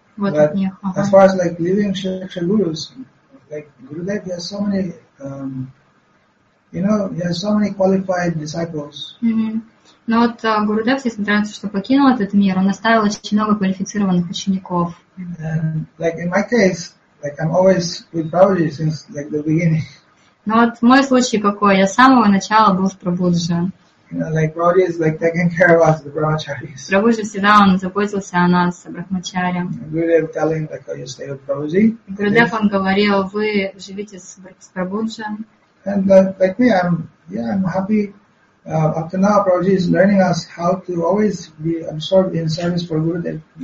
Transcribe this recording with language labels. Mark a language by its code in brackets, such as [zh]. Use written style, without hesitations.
[ru] Вот [en] But [ru] от них. [en] As far as like living shiksha gurus, like Gurudev, there's so many, he has so many qualified disciples. [ru] Но вот Гурудев, несмотря на то, что покинул этот мир, он оставил очень много квалифицированных учеников. [en] Like in my case, like I'm always with Prabhuji since like the beginning. [ru] Но вот мой случай какой? Я с самого начала был с Прабхуджи. [en] Like Prabhuji is like taking care of us, the Brahmacharis. [ru] Прабхуджи всегда он заботился о нас, о Брахмачари. [en] Гурудев telling like how you stay with Prabhuji. [ru] Гурудев он говорил, вы живите с Прабхуджи. [en] And like me, I'm happy. Up to now, Prabhuji is learning us how to always be absorbed in service for Gurudev.